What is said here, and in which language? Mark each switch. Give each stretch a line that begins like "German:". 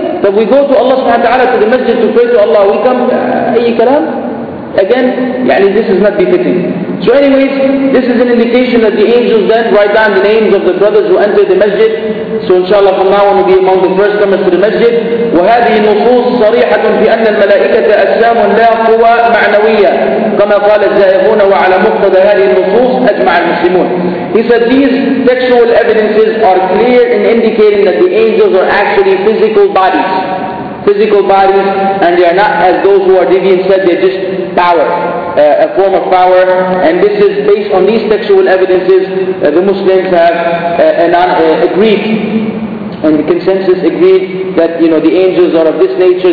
English: That we go to Allah subhanahu wa ta'ala, to the masjid to pray to Allah. We come, ayy kalam? Again, yani this is not befitting. So anyways, this is an indication that the angels then write down the names of the brothers who enter the masjid. So inshallah from now on will be among the first comers to the masjid.
Arabic: وهذه النصوص صريحة في أن الملائكة أجسام لا قوى معنوية كما قال الزائغون وعلى مقتضى هذه النصوص أجمع المسلمون.
English: He said these textual evidences are clear in indicating that the angels are actually physical bodies, and they are not, as those who are deviant said, they're just power, a form of power. And this is based on these textual evidences. The Muslims have agreed, and the consensus agreed that, you know, the angels are of this nature.